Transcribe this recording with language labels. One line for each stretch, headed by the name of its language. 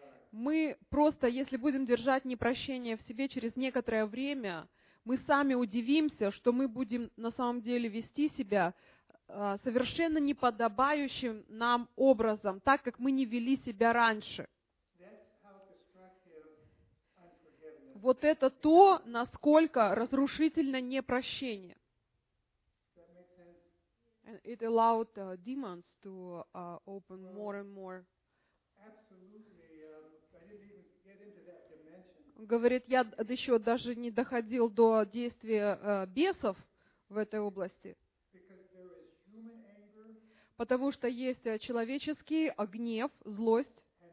Russian: Мы просто, если будем держать непрощение в себе через некоторое время, мы сами удивимся, что мы будем на самом деле вести себя совершенно неподобающим нам образом, так как мы не вели себя раньше. Вот это то, насколько разрушительно непрощение.
English: It allowed demons to open more and more.
Russian: Говорит, я еще даже не доходил до действия бесов в этой области. Потому что есть человеческий гнев, злость.